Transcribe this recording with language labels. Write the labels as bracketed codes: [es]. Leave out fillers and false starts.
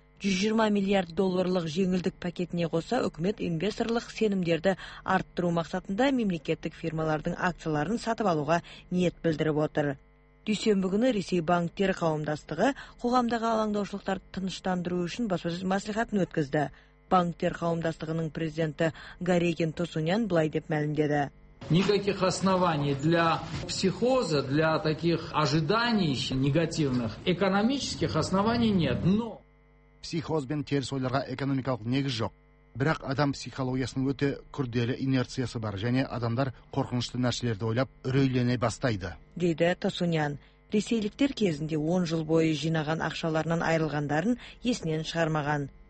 [kk] 120 миллиард долларлық жеңілдік пакетіне қоса үкімет инвесторлық сенімдерді арттыру мақсатында мемлекеттік фирмалардың акцияларын сатып алуға ниет білдіріп отыр. Дүйсенбі күні Ресей банктері қауымдастығы қоғамдағы алаңдаушылықтар тыныштандыру үшін баспасөз мәслихатын өткізді. Банктер қауымдастығының президенті Гарегин Тосунян былай деп мәлімдеді. [ru] Никаких оснований для психоза, для таких ожиданий негативных, экономических оснований нет, но [kk] психоз бен теріс ойларға экономикалық негіз жоқ. Бірақ адам психологиясының өте күрделі инерциясы бар, және адамдар қорқынышты нәрселерді ойлап, үрейлене бастайды. Дейді Тосунян. Ресейліктер кезінде 10 жыл бойы жинаған ақшаларынан айрылғандарын есінен шығармаған.